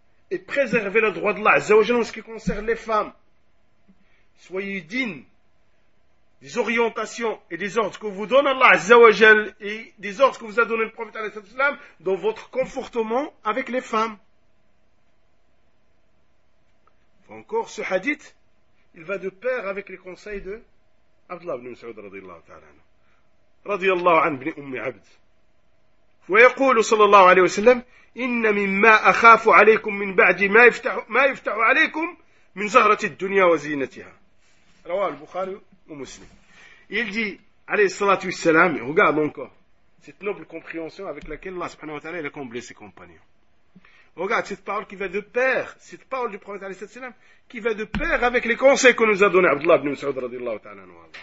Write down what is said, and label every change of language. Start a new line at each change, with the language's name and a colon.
French: Et préservez le droit d'Allah, Azzawajal, en ce qui concerne les femmes. Soyez dignes des orientations et des ordres que vous donne Allah, Azzawajal, et des ordres que vous a donné le prophète, alayhi sallam, dans votre comportement avec les femmes. Encore ce hadith, il va de pair avec les conseils de Abdullah ibn Mas'ud, radiyallahu ta'ala. Radiyallahu an ibn Ummi Abd.
Arabic: ويقول صلى الله عليه وسلم إن مما أخاف عليكم من بعد ما يفتح عليكم من زهرة الدنيا وزينتها رواه البخاري ومسلم.
French: Il dit عليه الصلاة والسلام, regarde encore cette noble compréhension avec laquelle Allah subhanahu wa ta'ala il a comblé ses compagnons. Regarde cette parole qui va de pair, cette parole du prophète عليه الصلاة والسلام qui va de pair avec les conseils que nous a donné Abdullah ibn Mas'ud رضي الله تعالى عنه.